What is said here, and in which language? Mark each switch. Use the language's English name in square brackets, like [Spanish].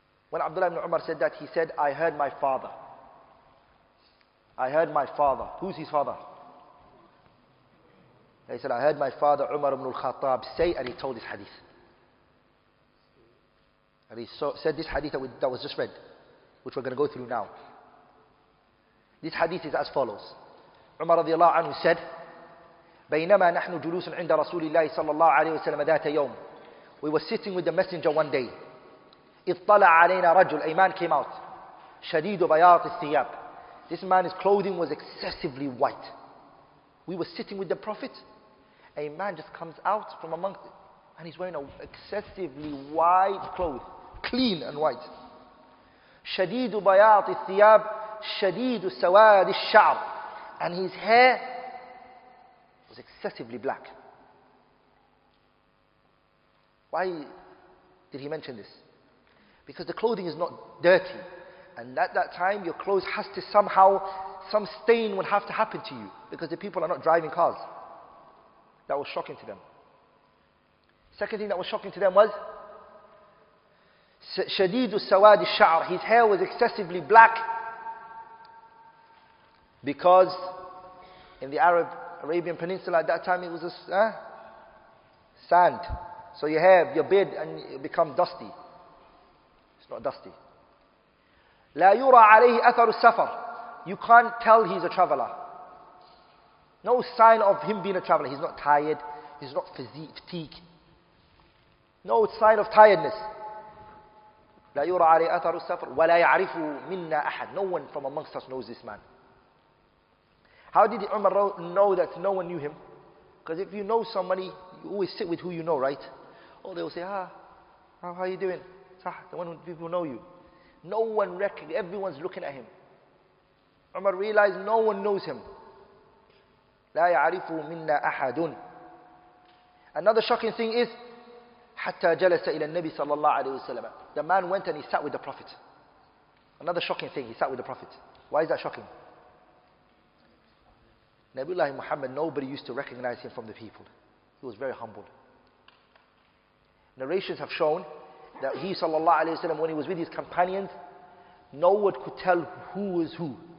[English] When Abdullah ibn Umar said that, he said, I heard my father. I heard my father. Who's his father? He said, I heard my father Umar ibn al-Khattab say, and he told this hadith. And he said this hadith that was just read, which we're going to go through now. This hadith is as follows. Umar radiallahu anhu said, [Arabic] بينما نحن جلوس عند رسول الله صلى الله عليه وسلم ذات يوم. [English] We were sitting with the messenger one day. [Arabic] إذ طلع علينا رجل, [English] a man came out. [Arabic] شديد بياض الثياب. [English] This man's clothing was excessively white. We were sitting with the Prophet. A man just comes out from amongst it, and he's wearing an excessively white cloth, clean and white. [Arabic] شديد بياض الثياب, شديد سواد الشعر. [English] And his hair was excessively black. Why did he mention this? Because the clothing is not dirty. And at that time, your clothes has to somehow, some stain would have to happen to you, because the people are not driving cars. That was shocking to them. Second thing that was shocking to them was [Arabic] شديد السواد الشعر. [English] His hair was excessively black because in the Arabian Peninsula at that time it was sand. So your hair, your beard, and it become dusty. It's not dusty. [Arabic] لا يرى عليه أثر السفر. [English] You can't tell he's a traveler. No sign of him being a traveler. He's not tired. He's not fatigued. No sign of tiredness. [Arabic] لا يرى عليه أثر السفر ولا يعرف منا أحد. [English] No one from amongst us knows this man. How did Umar know that no one knew him? Because if you know somebody, you always sit with who you know, right? Oh, they will say, ah, how are you doing? Sah, the one who people know you. No one recognizes, everyone's looking at him. Umar realized no one knows him. [Arabic] لا يعرف منا أحد. [English] Another shocking thing is, [Arabic] حتى جلس إلى النبي صلى الله عليه وسلم. [English] The man went and he sat with the Prophet. Another shocking thing, he sat with the Prophet. Why is that shocking? Nabiullah Muhammad, nobody used to recognize him from the people. He was very humble. Narrations have shown that he, sallallahu alayhi wa sallam, when he was with his companions, no one could tell who was who.